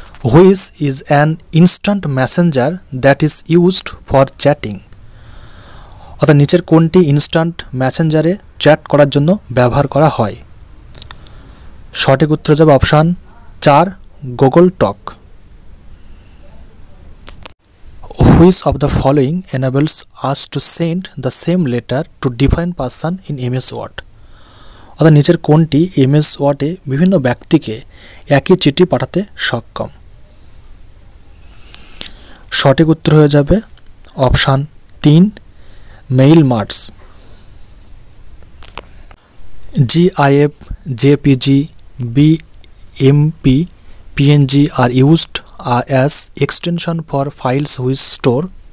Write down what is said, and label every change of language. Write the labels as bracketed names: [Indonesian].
[English] which is an instant messenger that is used for chatting, [Bangla] অর্থাৎ নিচের কোনটি instant ম্যাসেঞ্জারে chat করার জন্য ব্যবহার করা হয়। সঠিক উত্তর হচ্ছে অপশান চার, Google talk. [English] Which of the following enables us to send the same letter to different person in MS Word? [Bangla] অর্থাৎ নিচের কোনটি MS Word এ বিভিন্ন ব্যক্তিকে একই চিঠি পাঠাতে সক্ষম? সঠিক উত্তর হয়ে যাবে option 3 mail marts [English] GIF JPG BMP PNG are used as extension for files which store